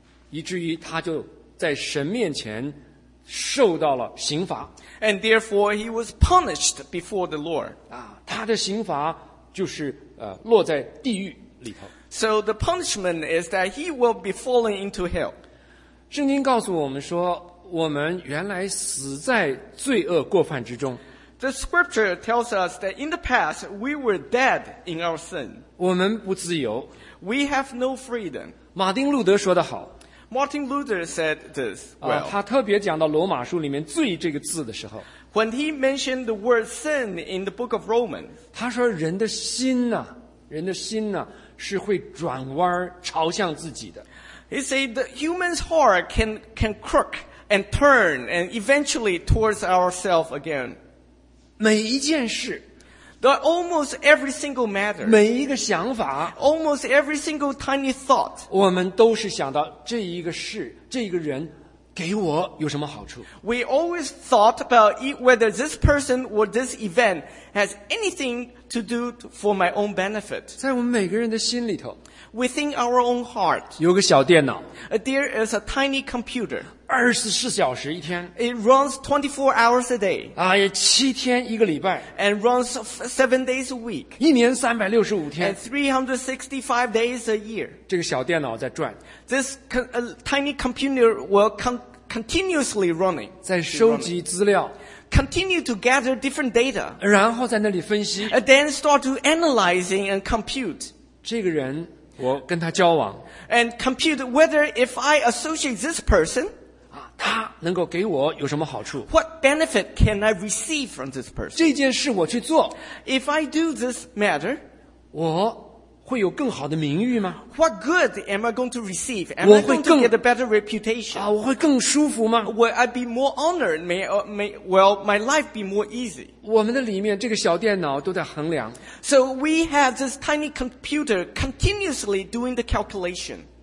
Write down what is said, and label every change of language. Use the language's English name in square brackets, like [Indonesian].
[Chinese] 以至于他就在神面前受到了刑罚。 [English] And therefore, he was punished before the Lord. [Chinese] 他的刑罚就是落在地狱里头。 [English] So the punishment is that he will be falling into hell. [Chinese] 圣经告诉我们说我们原来死在罪恶过犯之中。 [English] The scripture tells us that in the past we were dead in our sin. [Chinese] 我们不自由。 [English] We have no freedom. [Chinese] 马丁路德说得好。 [English] Martin Luther said this. Well, [Chinese] 他特别讲到罗马书里面罪这个字的时候。 [English] When he mentioned the word sin in the book of Romans. [Chinese] 他说人的心呢、人的心呢、是会转弯朝向自己的。 [English] He said the human's heart can crook. And turn and eventually towards ourselves again. [Chinese] 每一件事 [English] that almost every single matter, [Chinese] 每一个想法 [English] almost every single tiny thought, [Chinese] 我们都是想到这一个事这一个人给我有什么好处。 [English] We always thought about whether this person or this event has anything to do for my own benefit. [Chinese] 在我们每个人的心里头 [English] within our own heart, [Chinese] 有个小电脑 [English] there is a tiny computer. [Chinese] 24小时一天。 [English] It runs 24 hours a day. [Chinese] 七天一个礼拜。 [English] And runs 7 days a week. [Chinese] 一年365天。 [English] And 365 days a year. [Chinese] 这个小电脑在转。 [English] This tiny computer will continuously running. [Chinese] 在收集资料。 [English] Continue to gather different data. [Chinese] 然后在那里分析。 [English] And then start to analyzing and compute. [Chinese] 这个人我跟他交往。 [English] And compute whether if I associate this person, [Chinese] 他能够给我有什么好处？ [English] What benefit can I receive from this person? [Chinese] 这件事我去做， [English] If I do this matter, [Chinese] 我会有更好的名誉吗？ [English] What good am I going to receive? Am I going to get a better reputation? [Chinese] 我会更舒服吗？ [English] Will I be more honored? Will my life be more easy? [Chinese] 我们的里面这个小电脑都在衡量。 [English] So we have this tiny computer continuously doing the calculation.